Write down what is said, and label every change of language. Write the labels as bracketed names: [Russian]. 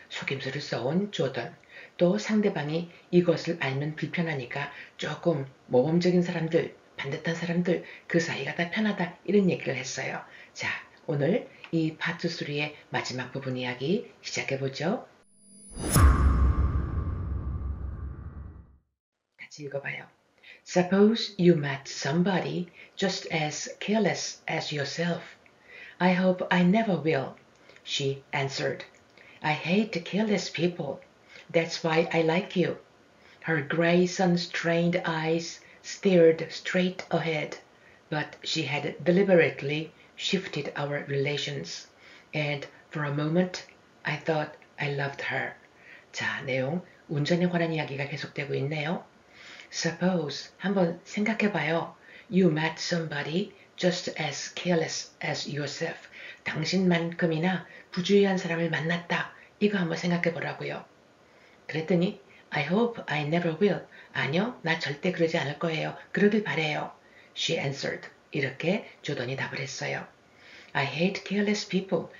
[Korean] 속임수를 써온 조던. 또 상대방이 이것을 알면 불편하니까 조금 모범적인 사람들, 반듯한 사람들, 그 사이가 더 편하다. 이런 얘기를 했어요. 자, 오늘 이 파트 3의 마지막 부분 이야기 시작해 보죠. 같이 읽어봐요. [English] Suppose you met somebody just as careless as yourself. I hope I never will, she answered. I hate careless people. That's why I like you. Her gray sun-strained eyes stared straight ahead, but she had deliberately shifted our relations, and for a moment, I thought I loved her. [Korean] 자, 내용, 운전에 관한 이야기가 계속되고 있네요. Suppose, 한번 생각해봐요. [English] You met somebody just as careless as yourself. [Korean] 당신만큼이나 부주의한 사람을 만났다. 이거 한번 생각해보라고요. 그랬더니, [English] I hope I never will. [Korean] 아니요, 나 절대 그러지 않을 거예요. 그러길 바래요. [English] She answered. [Korean] 이렇게 조던이 답을 했어요. [English] I hate careless people.